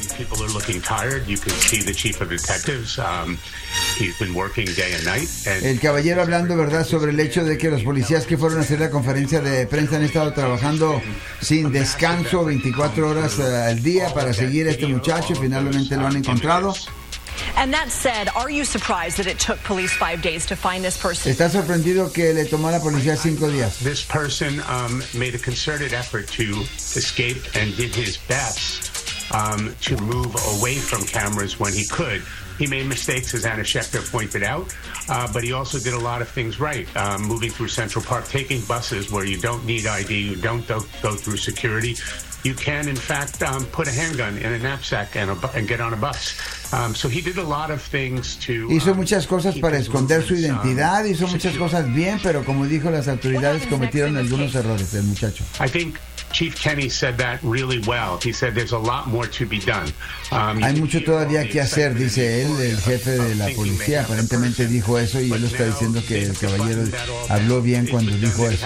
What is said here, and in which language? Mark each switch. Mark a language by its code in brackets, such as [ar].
[en] People are looking tired. You can see the chief of detectives. He's been working day and night. [es] El caballero hablando, ¿verdad?, sobre el hecho de que los policías que fueron a hacer la conferencia de prensa han estado trabajando sin descanso 24 horas al día para seguir a este muchacho. Finalmente lo han encontrado. [en] And that said, are you surprised that it took police 5 days to find this person? [es] ¿Estás sorprendido que le tomó a la policía 5 días? [en] This person made a concerted effort to escape and did his best to move away from cameras when he could. He made mistakes, as Anna Schechter pointed out, but he also did a lot of things right. Moving through Central Park, taking buses where you don't need ID, you don't go through security. You can, in fact, put a handgun in a knapsack and get on a bus. So he did a lot of things to. [es] Hizo muchas cosas para esconder su identidad. Hizo muchas cosas bien, pero como dijo, las autoridades cometieron algunos errores. El muchacho. [en] I think Chief Kenny said that really well. He said there's a lot more to be done. [es] Hay mucho todavía que hacer, dice él, el jefe de la policía. Aparentemente dijo eso y él está diciendo que el caballero habló bien cuando dijo eso.